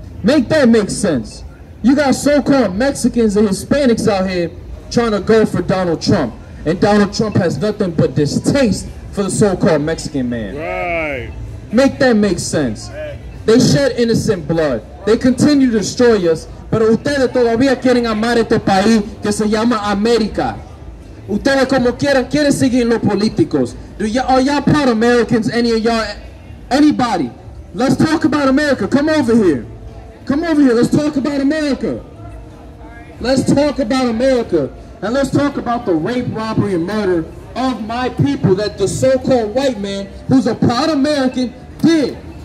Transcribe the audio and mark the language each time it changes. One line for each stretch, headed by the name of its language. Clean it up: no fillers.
English: Make that make sense. You got so-called Mexicans and Hispanics out here trying to go for Donald Trump. And Donald Trump has nothing but distaste for the so-called Mexican man. Right. Make that make sense. They shed innocent blood. They continue to destroy us.
Spanish: Pero ustedes todavía quieren amar este país que se llama América. Ustedes como quieran, quieren seguir los políticos.
English: Are y'all proud Americans? Any of y'all? Anybody? Let's talk about America. Come over here. Come over here. Let's talk about America. Let's talk about America. And let's talk about the rape, robbery, and murder of my people that the so-called white man, who's a proud American, did.